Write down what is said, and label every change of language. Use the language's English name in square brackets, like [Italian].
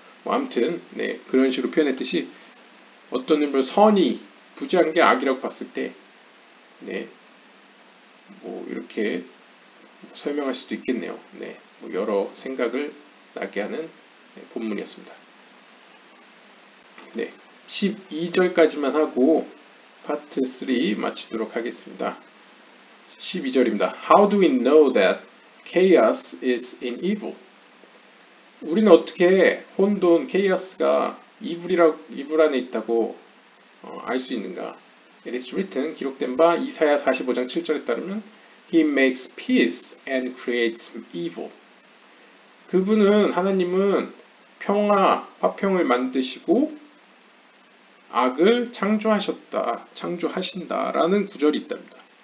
[Korean] 뭐 아무튼 그런 식으로 표현했듯이 어떤 의미로 선이 부자인 게 악이라고 봤을 때 뭐 이렇게 설명할 수도 있겠네요. 뭐 여러 생각을 나게 하는 본문이었습니다. 12절까지만 하고 파트 3 마치도록 하겠습니다. 12절입니다. [English] How do we know that chaos is in evil? [Korean] 우리는 어떻게 혼돈, 케이오스가 이불 안에 있다고 알수 있는가? [English] It is written, [Korean] 기록된 바 이사야 45장 7절에 따르면 [English] He makes peace and creates evil. [Korean] 그분은 하나님은 평화, 화평을 만드시고 악을 창조하신다라는 구절이 있답니다.